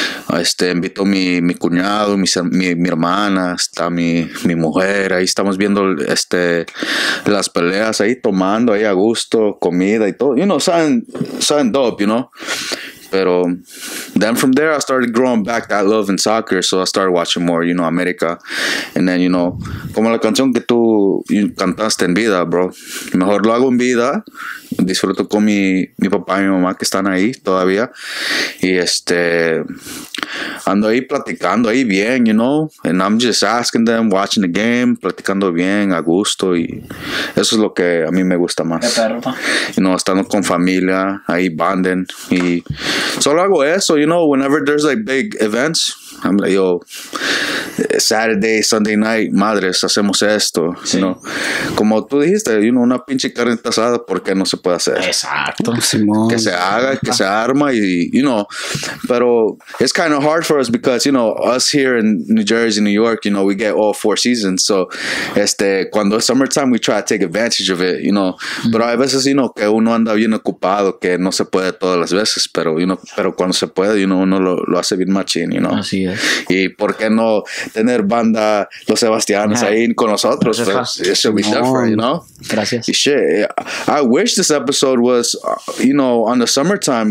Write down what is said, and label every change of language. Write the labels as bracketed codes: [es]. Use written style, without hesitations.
[es] Invito mi cuñado, mi hermana, está mi mujer. Ahí estamos viendo las peleas, ahí tomando, ahí a gusto, comida y todo. [en] You know, [es] saben [en] dope, you know. But then from there, I started growing back that love in soccer. So I started watching more, you know, America. And then, you know, [es] como la canción que tú cantaste en vida, bro. Mejor lo hago en vida. Disfruto con mi papá y mi mamá que están ahí todavía. Y ando ahí platicando ahí bien, you know. [en] And I'm just asking them, watching the game, [es] platicando bien, a gusto. Y eso es lo que a mí me gusta más. [en] You know, [es] estando con familia, ahí bonding. Y solo hago eso, [en] you know, whenever there's like big events. I'm like, yo, Saturday, Sunday night, madres, [es] hacemos esto, sí. [en] You know, [es] como tú dijiste, you know, una pinche carne asada, ¿por qué no se puede hacer? Exacto, Simón. Que se haga, que se arma y, [en] you know, pero it's kind of hard for us because, you know, us here in New Jersey, New York, you know, we get all four seasons, so, [es] cuando es [en] summertime, we try to take advantage of it, you know, [es] pero hay veces, you know, que uno anda bien ocupado, que no se puede todas las veces, [en] pero, you know, [es] pero cuando se puede, you know, uno lo hace bien machín, [en] you know. [es] Así. Y por qué no tener banda Los Sebastianes ahí con nosotros. Gracias, pues, [en] it should be different, you know. [es] Gracias. [en] Shit, I wish this episode was, you know, on the summertime.